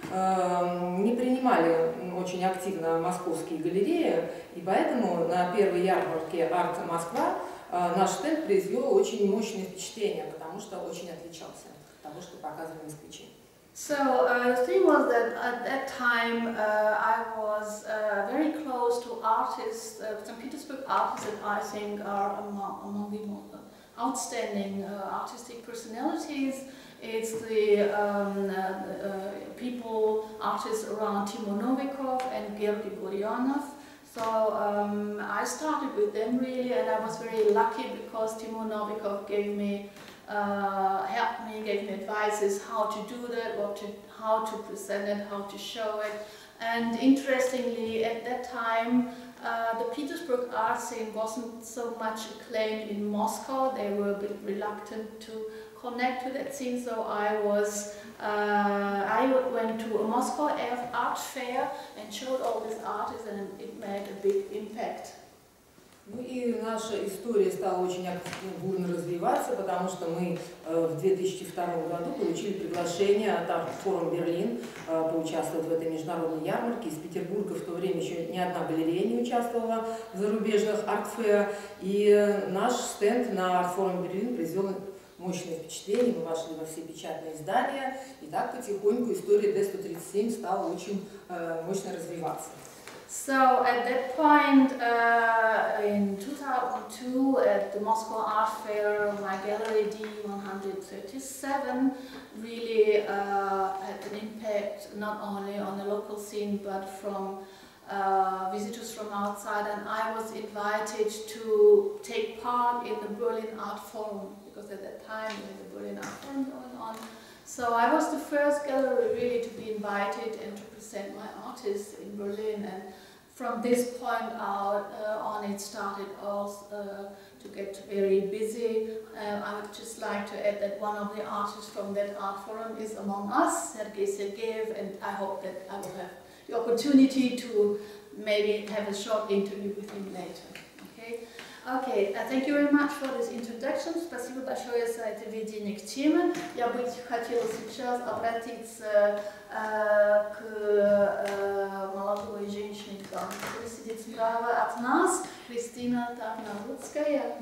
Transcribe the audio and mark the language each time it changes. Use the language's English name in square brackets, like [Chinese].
[Russian] не принимали очень активно московские галереи, и поэтому на первой ярмарке «Арт Москва» наш стенд произвел очень мощное впечатление, потому что очень отличался от того, что показывали москвичи. [English] So the thing was that at that time I was very close to artists, St. Petersburg artists that I think are among the outstanding artistic personalities. It's the people, artists around Timo Novikov and Georgi Gurionov. So I started with them really, and I was very lucky because Timo Novikov gave me helped me, gave me advices how to do that, how to present it, how to show it. And interestingly, at that time, the Petersburg art scene wasn't so much acclaimed in Moscow. They were a bit reluctant to connect to that scene. So I went to a Moscow art fair and showed all these artists, and it made a big impact. [Russian] Ну и наша история стала очень активно бурно развиваться, потому что мы в 2002 году получили приглашение от Art Forum Berlin поучаствовать в этой международной ярмарке. Из Петербурга в то время еще ни одна галерея не участвовала в зарубежных арт-фэр. И наш стенд на Art Forum Berlin произвел мощное впечатление. Мы вошли во все печатные издания. И так потихоньку история D137 стала очень мощно развиваться. [English] So at that point, in 2002, at the Moscow Art Fair, my gallery D137 really had an impact not only on the local scene but from visitors from outside. And I was invited to take part in the Berlin Art Forum, because at that time we had the Berlin Art Forum going on. So I was the first gallery really to be invited and to present my artists in Berlin. And from this point out on, it started also to get very busy. I would just like to add that one of the artists from that art forum is among us, Sergei Sergeyev, and I hope that I will have the opportunity to maybe have a short interview with him later. Okay. Okay. Thank you very much for this introduction. [Russian] Спасибо большое за это введение к теме. Я бы хотела сейчас обратиться к молодой женщине, которая сидит справа от нас, Кристина Тарнавудская.